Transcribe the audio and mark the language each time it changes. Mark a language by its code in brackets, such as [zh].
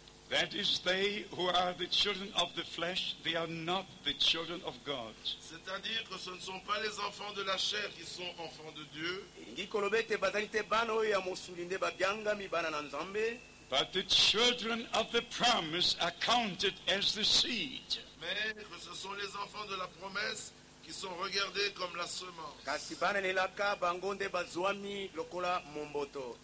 [en] That is, they who are the children of the flesh, they are not the children of God. [fr] C'est-à-dire que ce ne sont pas les enfants de la chair qui sont enfants de Dieu. [en] But the children of the promise are counted as the seed. [fr] Mais que ce sont les enfants de la promesse qui sont regardés comme la semence.